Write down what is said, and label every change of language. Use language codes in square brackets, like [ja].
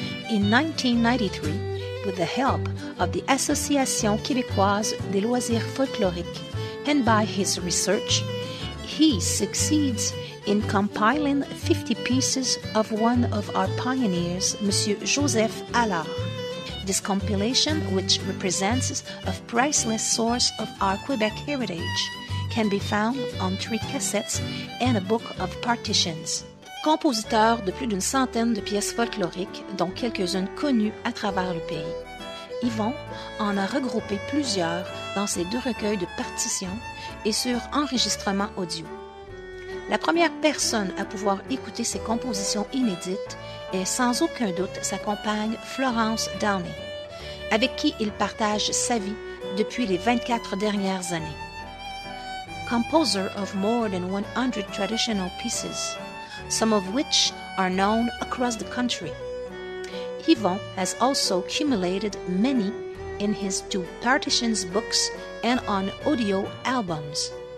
[en] In 1993, with the help of the Association québécoise des loisirs folkloriques and by his research, he succeeds in compiling 50 pieces of one of our pioneers, Monsieur Joseph Allard. This compilation, which represents a priceless source of our Quebec heritage, can be found on three cassettes and a book of partitions. [fr] Compositeur de plus d'une centaine de pièces folkloriques, dont quelques-unes connues à travers le pays, Yvon en a regroupé plusieurs dans ses deux recueils de partitions et sur enregistrement audio. La première personne à pouvoir écouter ses compositions inédites est sans aucun doute sa compagne Florence Downey, avec qui il partage sa vie depuis les 24 dernières années. [en] Composer of more than 100 traditional pieces, some of which are known across the country. Yvon has also accumulated many in his two partitions books and on audio albums.